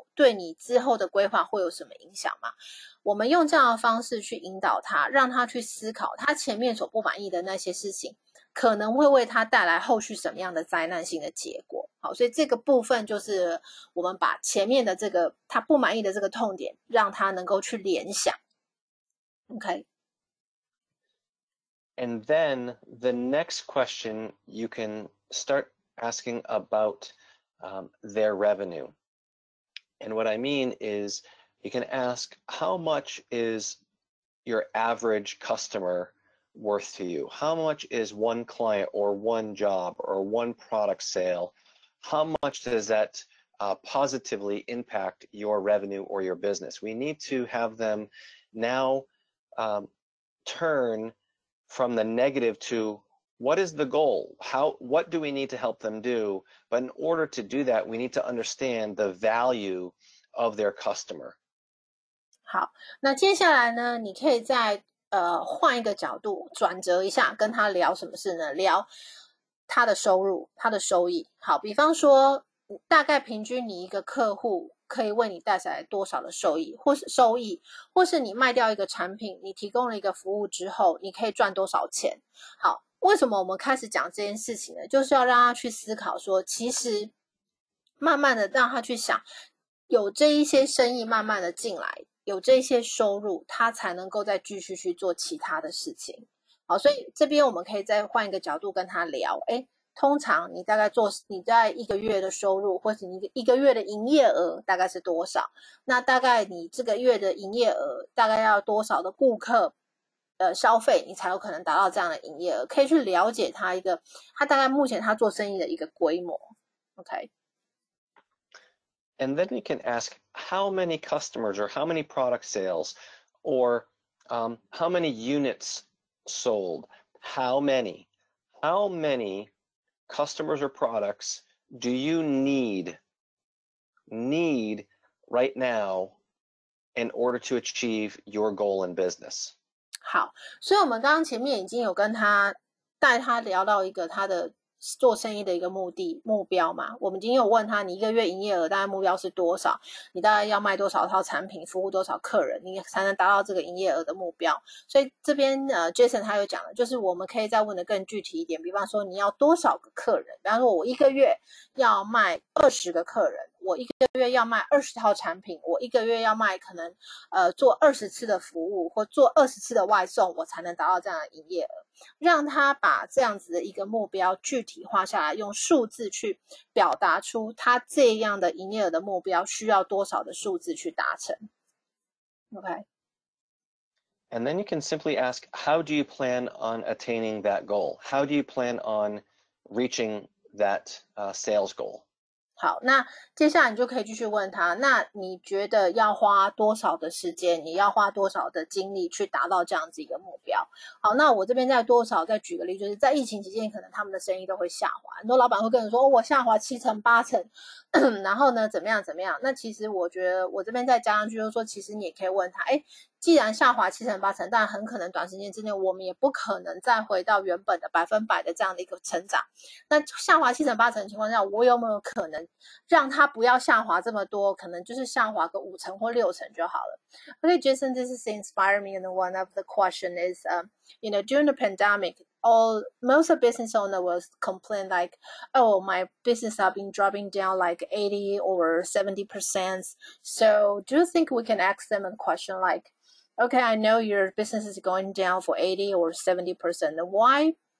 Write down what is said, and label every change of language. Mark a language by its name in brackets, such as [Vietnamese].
[Chinese] 对你之后的规划会有什么影响吗？我们用这样的方式去引导他，让他去思考他前面所不满意的那些事情可能会为他带来后续什么样的灾难性的结果。好，所以这个部分就是我们把前面的这个他不满意的这个痛点让他能够去联想。 [English] OK。 And then the next question, you can start asking about their revenue. And what I mean is you can ask, how much is your average customer worth to you? How much is one client or one job or one product sale? How much does that positively impact your revenue or your business? We need to have them now turn from the negative to what is the goal? What do we need to help them do? But in order to do that, we need to understand the value of their customer. [Chinese] 好，那接下来呢，你可以再换一个角度，转折一下，跟他聊什么事呢？聊他的收入，他的收益。好，比方说，大概平均你一个客户可以为你带来多少的收益，或是收益，或是你卖掉一个产品，你提供了一个服务之后，你可以赚多少钱？好，为什么我们开始讲这件事情呢？就是要让他去思考说，其实慢慢的让他去想，有这一些生意慢慢的进来，有这一些收入，他才能够再继续去做其他的事情。好，所以这边我们可以再换一个角度跟他聊，诶，通常你大概做你在一个月的收入或是你一个月的营业额大概是多少，那大概你这个月的营业额大概要多少的顾客消费你才有可能达到这样的营业额，可以去了解他一个他大概目前他做生意的一个规模。 [English] OK。 And then you can ask how many customers or how many product sales or how many units sold, how many customers or products do you need right now in order to achieve your goal in business? [Chinese] 好，所以我们刚刚前面已经有跟他带他聊到一个他的做生意的一个目的目标嘛，我们已经有问他你一个月营业额大概目标是多少，你大概要卖多少套产品，服务多少客人，你才能达到这个营业额的目标。所以这边Jason 他有讲了，就是我们可以再问的更具体一点，比方说你要多少个客人，比方说我一个月要卖20个客人，我一个月要卖20套产品，我一个月要卖可能做20次的服务或做20次的外送，我才能达到这样的营业额。让他把这样子的一个目标具体化下来，用数字去表达出他这样的营业额的目标需要多少的数字去达成。 [English] OK。 And then you can simply ask, how do you plan on attaining that goal? How do you plan on reaching that sales goal? [Chinese] 好，那接下来你就可以继续问他，那你觉得要花多少的时间，你要花多少的精力去达到这样子一个目标？好，那我这边再多少再举个例，就是在疫情期间，可能他们的生意都会下滑，很多老板会跟你说，哦，我下滑7成8成，然后呢，怎么样怎么样？那其实我觉得我这边再加上去，就是说，其实你也可以问他，哎，既然下滑7成8成，但很可能短时间之内我们也不可能再回到原本的100%的这样的一个成长。那下滑7成8成的情况下，我有没有可能让他不要下滑这么多？可能就是下滑个5成或6成就好了。 [English] OK，Jason, this is inspire me, and one of the question is, you know, during the pandemic, most of business owner was complain like, oh, my business have been dropping down like 80 or 70%. So do you think we can ask them a question like, okay, I know your business is going down for 80 or 70%. Why?